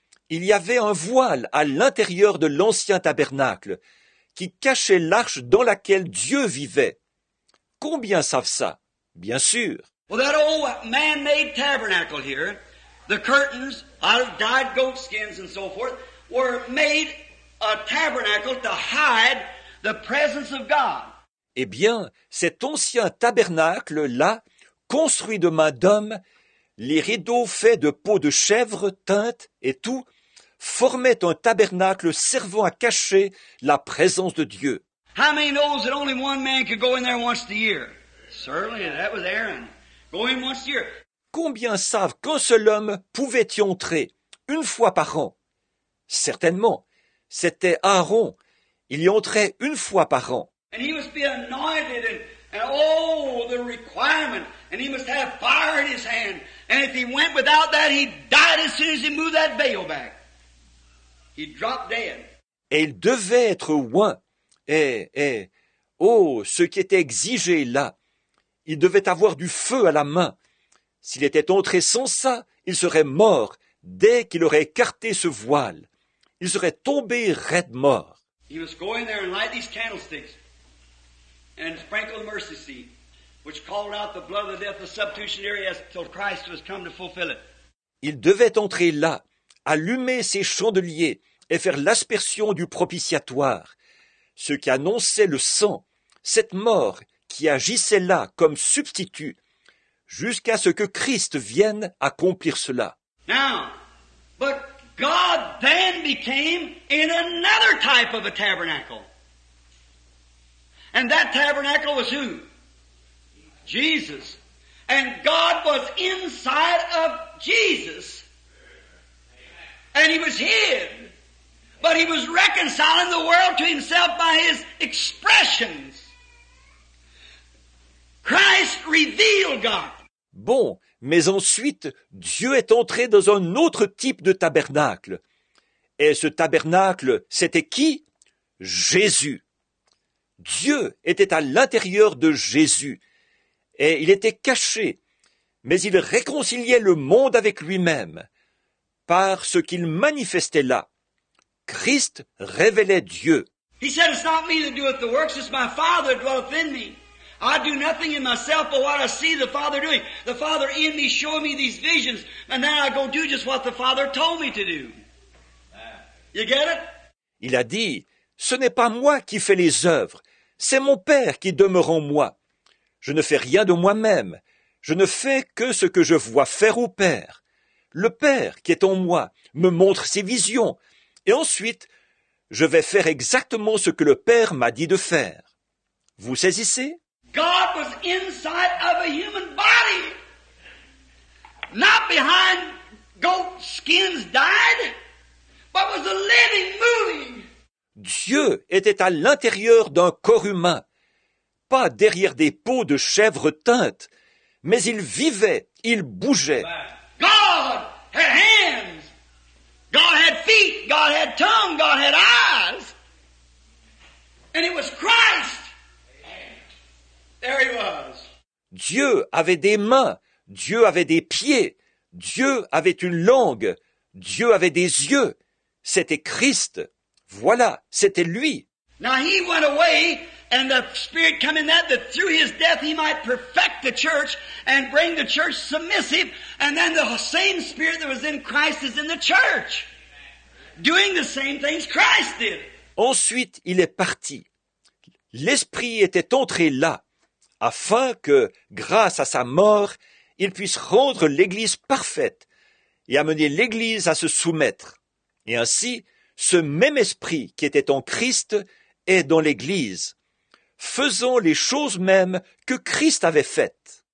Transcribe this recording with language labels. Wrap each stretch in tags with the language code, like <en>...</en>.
<fr>Il y avait un voile à l'intérieur de l'ancien tabernacle qui cachait l'arche dans laquelle Dieu vivait. Combien savent ça? Bien sûr.</fr> <en>Well, that old man-made tabernacle here, the curtains out of dyed goat skins and so forth, were made a tabernacle to hide the presence of God.</en> <fr>Eh bien, cet ancien tabernacle-là, construit de main d'homme, les rideaux faits de peau de chèvre, teinte et tout, formaient un tabernacle servant à cacher la présence de Dieu.</fr> <en>How many knows that only one man could go in there once a year? Certainly, that was Aaron. Go in once a year.</en> <fr>Combien savent qu'un seul homme pouvait y entrer une fois par an? Certainement, c'était Aaron. Il y entrait une fois par an.</fr> <en>And he must be anointed and oh, the requirement. And he must have fire in his hand. And if he went without that, he died as soon as he moved that veil back. He dropped dead.</en> <fr>Et il devait être oint. Et, oh, ce qui était exigé là. Il devait avoir du feu à la main. S'il était entré sans ça, il serait mort dès qu'il aurait écarté ce voile. Il serait tombé raide mort.</fr> <en>He must go in there and light these candlesticks and sprinkle the mercy seat, which called out the blood of the death, the substitutionary, till Christ was come to fulfill it.</en> <fr>Il devait entrer là, allumer ses chandeliers et faire l'aspersion du propitiatoire, ce qui annonçait le sang, cette mort qui agissait là comme substitut, jusqu'à ce que Christ vienne accomplir cela.</fr> <en>Now, but God then became in another type of a tabernacle. And that tabernacle was who? Jesus. And God was inside of Jesus. And he was hid. But he was reconciling the world to himself by his expressions. Christ revealed God.</en> <fr>Bon, mais ensuite, Dieu est entré dans un autre type de tabernacle. Et ce tabernacle, c'était qui? Jésus. Dieu était à l'intérieur de Jésus. Et il était caché, mais il réconciliait le monde avec lui-même par ce qu'il manifestait là. Christ révélait Dieu.</fr> <en>He said, it's not me that doeth the works, it's my Father that dwelleth in me. I do nothing in myself but what I see the Father doing. The Father in me show me these visions, and then I go do just what the Father told me to do. You get it?</en> <fr>Il a dit, ce n'est pas moi qui fais les œuvres, c'est mon Père qui demeure en moi. Je ne fais rien de moi-même, je ne fais que ce que je vois faire au Père. Le Père qui est en moi me montre ses visions, et ensuite, je vais faire exactement ce que le Père m'a dit de faire. Vous saisissez?</fr> <en>God was inside of a human body, not behind goat skins dyed, but was a living, moving.</en> <fr>Dieu était à l'intérieur d'un corps humain, pas derrière des peaux de chèvre teintes, mais il vivait, il bougeait.</fr> <en>God had hands, God had feet, God had tongue, God had eyes, and it was Christ. There he was.</en> <fr>Dieu avait des mains, Dieu avait des pieds, Dieu avait une langue, Dieu avait des yeux. C'était Christ. Voilà, c'était lui.</fr> <en>Now he went away, and the Spirit came in that through his death he might perfect the church and bring the church submissive, and then the same Spirit that was in Christ is in the church, doing the same things Christ did.</en> <fr>Ensuite, il est parti. L'Esprit était entré là, afin que, grâce à sa mort, il puisse rendre l'Église parfaite et amener l'Église à se soumettre. Et ainsi, ce même Esprit qui était en Christ est dans l'Église, faisant les choses mêmes que Christ avait faites.</fr>